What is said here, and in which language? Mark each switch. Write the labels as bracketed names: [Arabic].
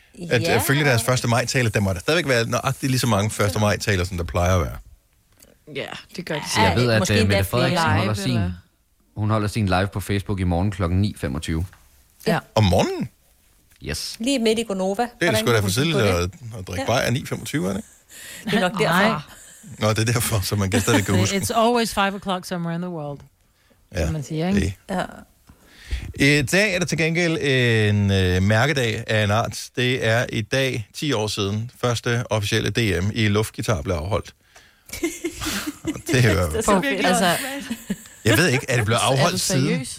[Danish] At følge deres 1. maj-taler, der må der stadigvæk være nøjagtigt lige så mange 1. maj-taler, som der plejer at være. Ja, det gør de selv. Jeg ved, at Mette Frederiksen live, holder sin, hun holder sin live på Facebook i morgen klokken 9.25. Ja. Om morgenen? [English] Yes. [Danish] Lige midt i Gonova. Det er sgu da for tidligt at, at drikke bare af 9.25, er det? Det er nok derfor. Nej. Nå, det er derfor, så man gætter det kan huske. [English] It's always 5 o'clock somewhere in the world. [Danish] Ja, man siger, ikke? Det. I dag er der til gengæld en mærkedag af en art. Det er i dag, 10 år siden, første officielle DM i luftgitar blev afholdt. Det er jo... Jeg ved ikke, er det blevet afholdt siden?